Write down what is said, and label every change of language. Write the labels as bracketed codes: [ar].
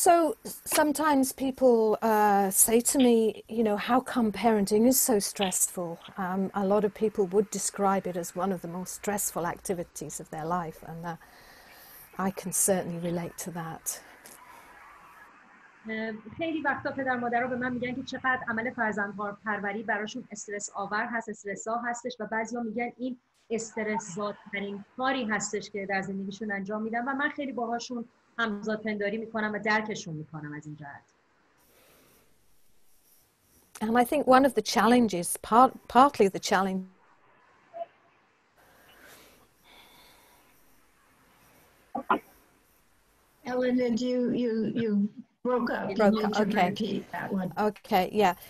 [en] So sometimes people say to me, you know, how come parenting is so stressful? A lot of people would describe it as one of the most stressful activities of their life, and I can certainly relate to that. [fa] خیلی وقتا پدر مادرها به من میگن که چقدر عمل فرزند پروری براشون استرس آور هست، استرس ها هستش، و بعضیا میگن این استرس زادترین کاری هستش که در زندگیشون انجام میدن، و من خیلی باهاشون همزادپنداری میکنم و درکشون میکنم از این جهت. [en] And I think one of the challenges, partly the challenge, Eluned, you broke up. Okay. Okay. Yeah.